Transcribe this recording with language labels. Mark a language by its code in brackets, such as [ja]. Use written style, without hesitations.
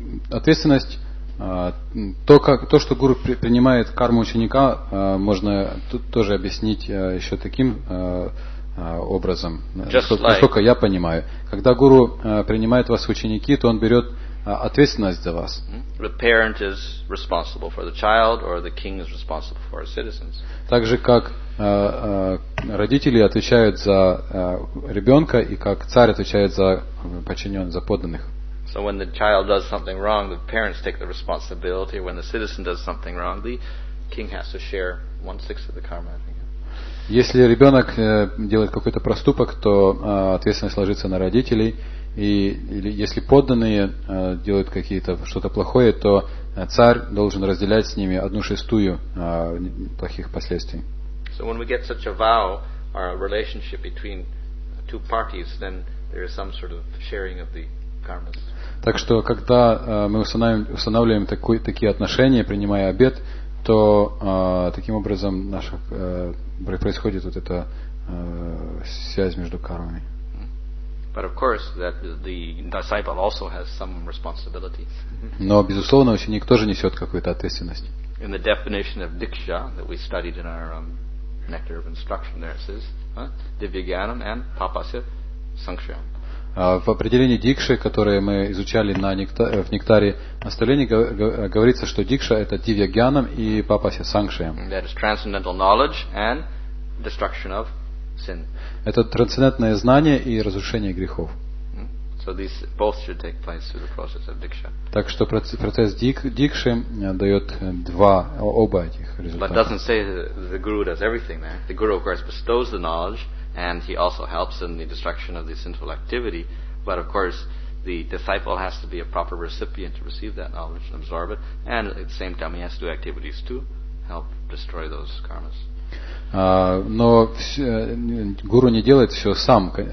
[ru] Ответственность, то, что гуру принимает карму ученика, можно тут тоже объяснить еще таким образом, насколько я понимаю, когда гуру принимает вас в ученики, то он берет ответственность за вас. [en] The parent is responsible for the child, or the king is responsible for his citizens. [ru] Так же как родители отвечают за ребенка и как царь отвечает за подчиненных, за подданных. [en] So when the child does something wrong, the parents take the responsibility. When the citizen does something wrong, the king has to share 1/6 of the karma. [ru] Если ребенок делает какой-то проступок, то ответственность ложится на родителей. Или если подданные делают какие-то что-то плохое, то царь должен разделять с ними 1/6 плохих последствий. [en] So when we get such a vow, or a relationship between two parties, then there is some sort of sharing of the karmas. [ru] Так что когда мы устанавливаем такие отношения, принимая обет, то таким образом наша происходит вот эта связь между кармами. [en] But of course that the disciple also has some responsibilities. [ru] Но безусловно ученик тоже несет какую-то ответственность. [en] In the definition of diksha that we studied in our nectar of instruction, there it says divyagyanam and papasya sankshayam. [ru] В определении дикши, которое мы изучали в нектаре наставлений, говорится, что дикша это дивья гьянам и папасья санкшаям. [en] That is transcendental knowledge and destruction of sin. [ru] Это трансцендентное знание и разрушение грехов. [en] So these both should take place through the process of diksha. [ru] Так что процесс дикши дает два оба этих результата. [en] But doesn't say the guru does everything there. The guru of course bestows the knowledge and he also helps in the destruction of the sinful activity, but of course the disciple has to be a proper recipient to receive that knowledge and absorb it, and at the same time he has to do activities to help destroy those karmas. [ru] Но гуру не делает все сам.